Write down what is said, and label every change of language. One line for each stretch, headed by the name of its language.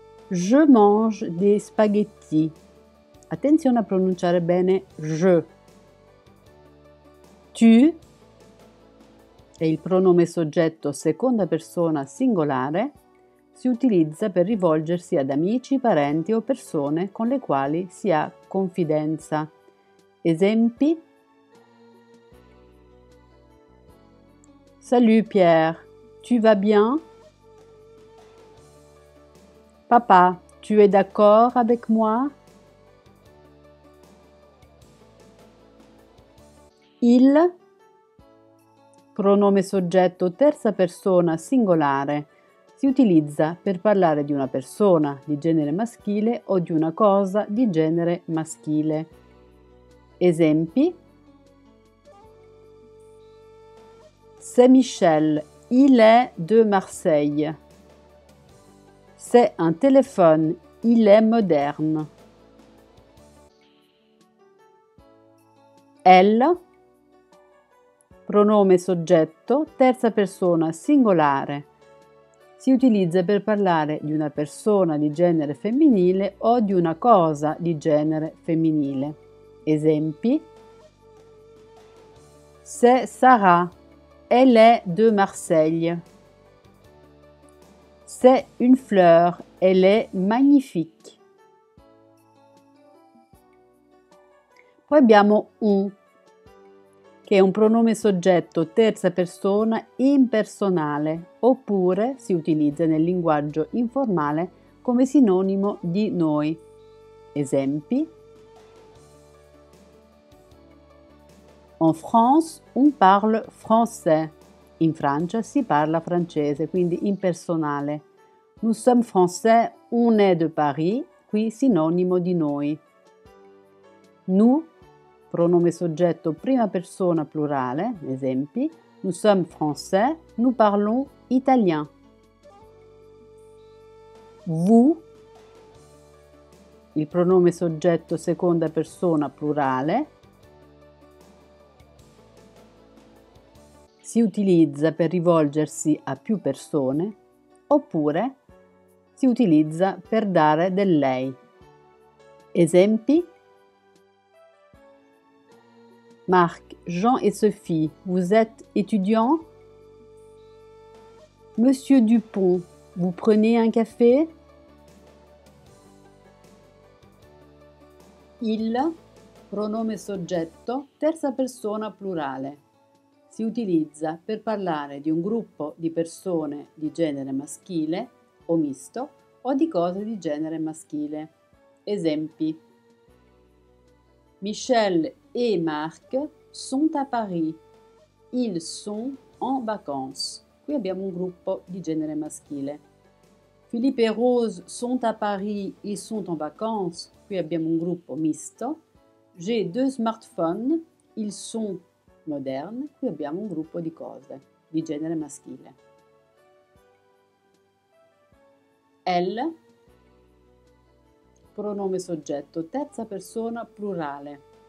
French: Je mange des spaghettis.
Italian: Attenzione a pronunciare bene je. Tu è il pronome soggetto seconda persona singolare. Si utilizza per rivolgersi ad amici, parenti o persone con le quali si ha confidenza. Esempi.
French: Salut Pierre, tu vas bien? Papa, tu es d'accord avec moi?
Italian: Il, pronome soggetto terza persona singolare, si utilizza per parlare di una persona di genere maschile o di una cosa di genere maschile. Esempi.
French: C'est Michel, il est de Marseille. C'est un téléphone, il est moderne.
Italian: Elle, pronome soggetto, terza persona singolare. Si utilizza per parlare di una persona di genere femminile o di una cosa di genere femminile. Esempi.
French: C'est Sarah. Elle est de Marseille. C'est une fleur. Elle est magnifique.
Italian: Poi abbiamo un, che è un pronome soggetto terza persona impersonale, oppure si utilizza nel linguaggio informale come sinonimo di noi. Esempi.
French: En France, on parle français.
Italian: In Francia si parla francese, quindi impersonale.
French: Nous sommes français, on est de Paris,
Italian: qui sinonimo di noi. Nous, pronome soggetto prima persona plurale, esempi.
French: Nous sommes français, nous parlons italien.
Italian: Vous, il pronome soggetto seconda persona plurale. Si utilizza per rivolgersi a più persone oppure si utilizza per dare del lei. Esempi.
French: Marc, Jean et Sophie, vous êtes étudiants? Monsieur Dupont, vous prenez un café?
Italian: Il, pronome soggetto, terza persona plurale. Si utilizza per parlare di un gruppo di persone di genere maschile o misto o di cose di genere maschile. Esempi.
French: Michel et Marc sont à Paris. Ils sont en vacances.
Italian: Qui abbiamo un gruppo di genere maschile.
French: Philippe et Rose sont à Paris. Ils sont en vacances.
Italian: Qui abbiamo un gruppo misto.
French: J'ai deux smartphones. Ils sont moderne,
Italian: qui abbiamo un gruppo di cose di genere maschile. Elle, pronome soggetto, terza persona plurale.